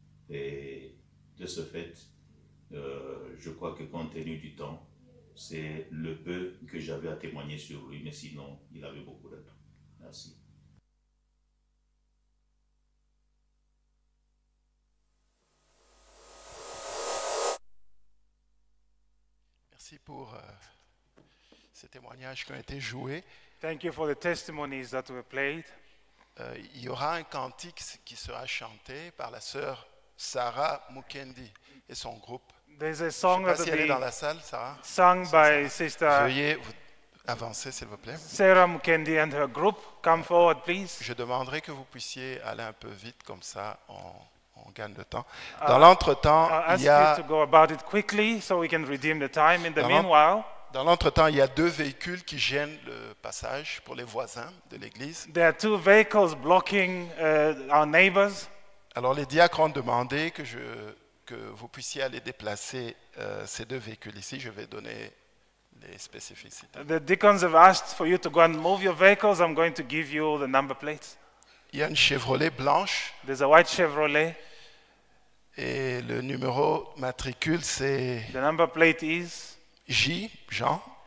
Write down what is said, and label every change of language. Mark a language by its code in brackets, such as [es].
[fr] Et de ce fait, je crois que compte tenu du temps, c'est le peu que j'avais à témoigner sur lui, mais sinon, il avait beaucoup d'atouts. Merci. Merci pour ces témoignages qui ont été joués. [en] Thank you for the testimonies that were played. [fr] Il y aura un cantique qui sera chanté par la sœur Sarah Mukendi et son groupe. [en] There's a song that si will be [fr] dans la salle, Sarah. [en] Sung by Sister. [fr] Veuillez vous avancer, s'il vous plaît. [en] Sarah Mukendi and her group, come forward, please. [fr] Je demanderai que vous puissiez aller un peu vite, comme ça, on gagne de temps. Dans l'entretemps, il y a. [en] I'll ask you to go about it quickly, so we can redeem the time. In the meanwhile. [fr] Dans l'entretemps, il y a deux véhicules qui gênent le passage pour les voisins de l'église. [en] There are two vehicles blocking our neighbors. [fr] Alors les diacres ont demandé que vous puissiez aller déplacer ces deux véhicules ici. Je vais donner les spécificités. [en] The deacons have asked for you to go and move your vehicles. I'm going to give you the number plates. [fr] Il y a une Chevrolet blanche. [en] There's a white Chevrolet. [fr] Et le numéro matricule c'est. [en] The number plate is. [fr] J, Jean.